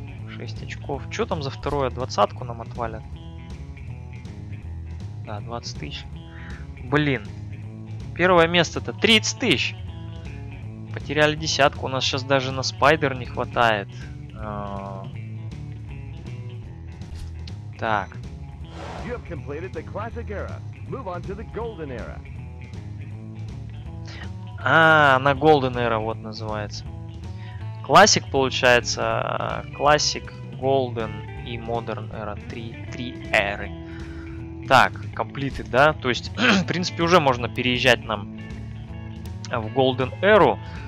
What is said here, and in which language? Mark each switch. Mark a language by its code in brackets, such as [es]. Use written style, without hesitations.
[ru] 6 очков. Чё там за второе? Двадцатку нам отвалят? Да, 20 тысяч. Блин. Первое место-то 30 тысяч. Потеряли десятку. У нас сейчас даже на Спайдер не хватает. Так. [en] You have completed the classic era. Move on to the golden era. [ru] А, на Golden Era вот называется. Classic получается. Classic, Golden и Modern Era. Три эры. Так, completed, да? То есть, в принципе, уже можно переезжать нам в Golden Era.